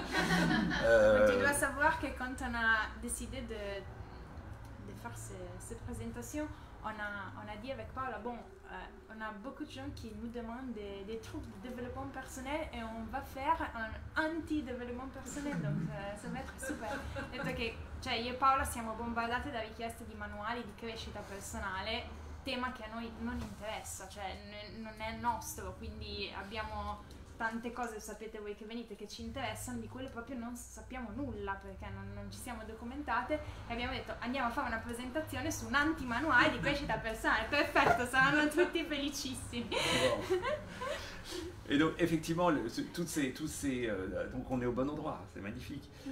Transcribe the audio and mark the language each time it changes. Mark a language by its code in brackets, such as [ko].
[fr] Tu dois savoir que quand on a décidé de faire cette présentation, on a dit avec Paola, bon, on a beaucoup de gens qui nous demandent des trucs de développement personnel et on va faire un anti-développement personnel, donc ça va être super. [it] Detto che, cioè, io e Paola siamo bombardate da richieste di manuali di crescita personale, tema che a noi non interessa, cioè non è nostro, quindi abbiamo tante cose, sapete voi che venite, che ci interessano, di quelle proprio non sappiamo nulla perché non ci siamo documentate, e abbiamo detto andiamo a fare una presentazione su un antimanuale di crescita personale, perfetto, saranno tutti felicissimi. [fr] Et donc effectivement donc on est au bon endroit, c'est magnifique.